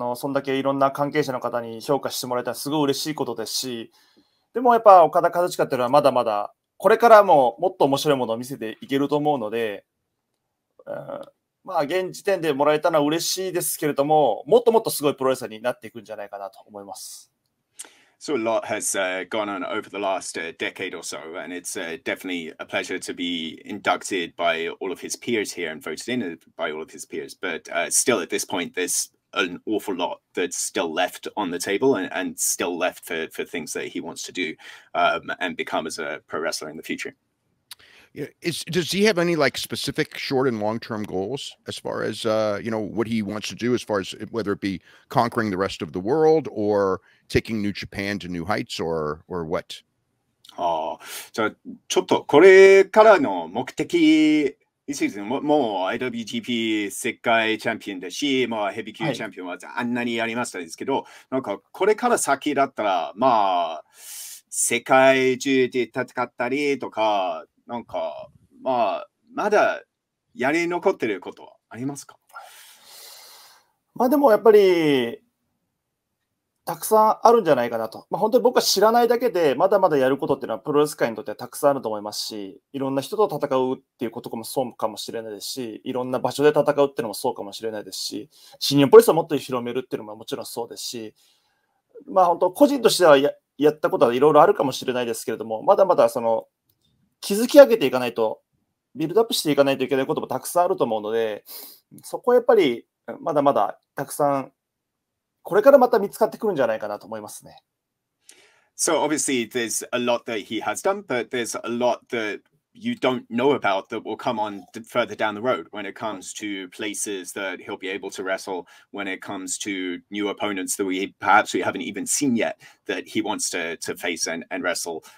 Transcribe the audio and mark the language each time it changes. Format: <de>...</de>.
<ja>そんだけいろんな関係者の方に評価してもらえたらすごい嬉しいことですし、でもやっぱ岡田和親っていうのはまだまだこれからももっと面白いものを見せていけると思うので、まあ現時点でもらえたのは嬉しいですけれども、もっともっとすごいプロレスラーになっていくんじゃないかなと思います。</ja> <en>So a lot has gone on over the last decade or so, and it's definitely a pleasure to be inducted by all of his peers here and voted in by all of his peers. But still, at this point, there's an awful lot that's still left on the table and still left for things that he wants to do and become as a pro wrestler in the future. Does he have any like specific short and long term goals as far as you know what he wants to do, as far as whether it be conquering the rest of the world or taking New Japan to new heights or what?</en> <ja>Ah, so ちょっとこれからの目的 2シーズンももう IWGP 世界チャンピオンだし、まあ、ヘビー級チャンピオンはあんなにやりましたんですけど、はい、なんかこれから先だったら、まあ、世界中で戦ったりとか、なんか、まあ、まだやり残ってることはありますか？まあでもやっぱり、たくさんあるんじゃないかなと、まあ、本当に僕は知らないだけでまだまだやることっていうのはプロレス界にとってはたくさんあると思いますし、いろんな人と戦うっていうこともそうかもしれないですし、いろんな場所で戦うっていうのもそうかもしれないですし、新日本プロレスをもっと広めるっていうのももちろんそうですし、まあ本当個人としては やったことはいろいろあるかもしれないですけれども、まだまだその築き上げていかないと、ビルドアップしていかないといけないこともたくさんあると思うので、そこはやっぱりまだまだたくさんこれからまた見つかってくるんじゃないかなと思いますね。</ja> <en>So obviously there's a lot that he has done, but there's a lot that you don't know about that will come on further down the road when it comes to places that he'll be able to wrestle, when it comes to new opponents that we haven't even seen yet that he wants to face and wrestle.</en>